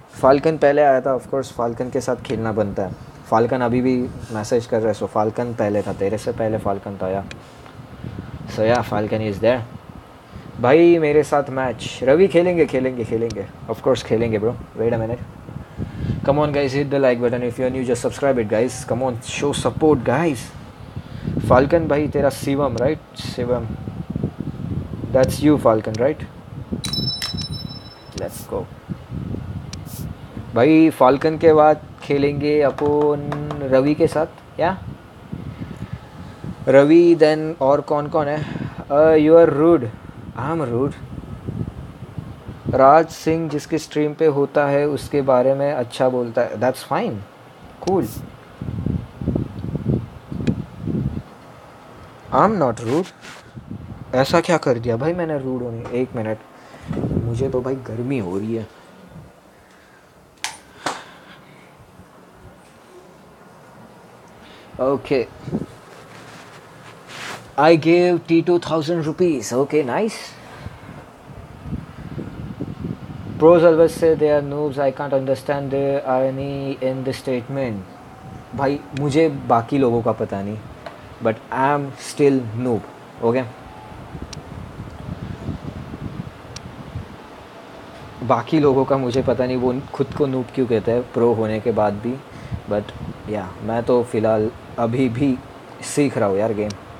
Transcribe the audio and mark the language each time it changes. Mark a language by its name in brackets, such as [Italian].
[Hindi] Falcon पहले आया था ऑफकोर्स. फाल्कन के साथ खेलना बनता है. फाल्कन अभी भी मैसेज कर रहा है. सो फाल्कन पहले था तेरे से पहले फाल्कन था या. [English] so yeah Falcon is there [Hindi] भाई. मेरे साथ मैच रवि खेलेंगे खेलेंगे खेलेंगे ऑफकोर्स खेलेंगे bro. [English] Wait a minute. Come on guys hit the like button if you are new just subscribe it guys. Come on show support guys. Falcon भाई तेरा Shivam right. Shivam That's you, Falcon, right? Let's go. [Hindi] भाई Falcon के बाद खेलेंगे अपन रवि के साथ. [English] या रवि देन [Hindi] और कौन कौन है. [English] You are rude. I am rude. [Hindi] Raj Singh जिसके स्ट्रीम पे होता है उसके बारे में अच्छा बोलता है. [English] That's fine cool. I am not rude. [Hindi] ऐसा क्या कर दिया भाई मैंने रूड होने. एक मिनट मुझे तो भाई गर्मी हो रही है. [English] Okay. I gave T 2000 rupees. Okay, nice. Pros always say they are noobs. I can't understand the irony in the statement. [Hindi] भाई मुझे बाकी लोगों का पता नहीं [English] But I am still noob. [Hindi] Okay बाकी लोगों का मुझे पता नहीं वो खुद को नूब क्यों कहते हैं प्रो होने के बाद भी बट या मैं तो फिलहाल अभी भी सीख रहा हूँ यार गेम.